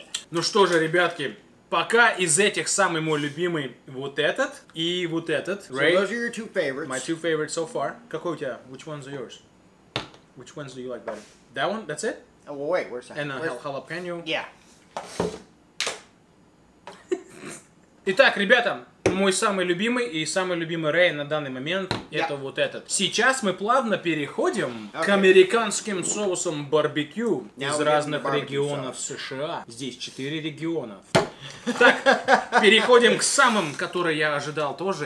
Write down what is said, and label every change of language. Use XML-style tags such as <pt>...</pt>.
<ru>Ну что же, ребятки, пока из этих самый мой любимый вот этот и вот этот.</ru> <en>Right? So those are your two favorites. My two favorites so far.</en> <ru>Какой у тебя?</ru> <en>Which ones are yours? Which ones do you like better? That one? That's it? Oh, well, wait, where's that? And a jalapeno? Yeah.</en> <ru>Итак, ребята, мой самый любимый и самый любимый Рэй на данный момент это вот этот. Сейчас мы плавно переходим к американским соусам барбекю из разных регионов США. Здесь 4 региона. Так, переходим к самым, которые я ожидал тоже.</ru>